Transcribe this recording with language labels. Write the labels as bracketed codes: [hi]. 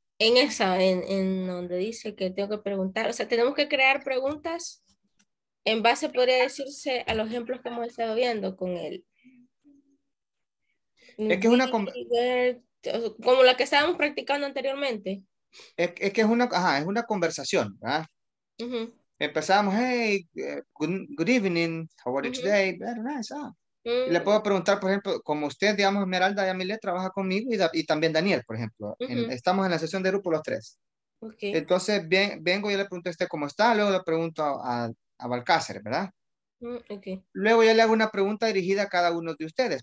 [es] En esa, en donde dice que tengo que preguntar. O sea, tenemos que crear preguntas en base, podría decirse, a los ejemplos que hemos estado viendo con él. Es que es una... Como la que estábamos practicando anteriormente. Es que es una, ajá, es una conversación, ¿verdad? Uh-huh. Empezamos, [en] hey, good evening, how are you today? Very nice, ah. [es] Y le puedo preguntar, por ejemplo, como usted, digamos, Esmeralda y Amilet trabaja conmigo y también Daniel, por ejemplo. Uh-huh. Estamos en la sesión de grupo los tres. [en] Okay. [es] Entonces, vengo y le pregunto a usted cómo está, luego le pregunto a Balcácer, ¿verdad? [en] Okay. [es] Luego yo le hago una pregunta dirigida a cada uno de ustedes.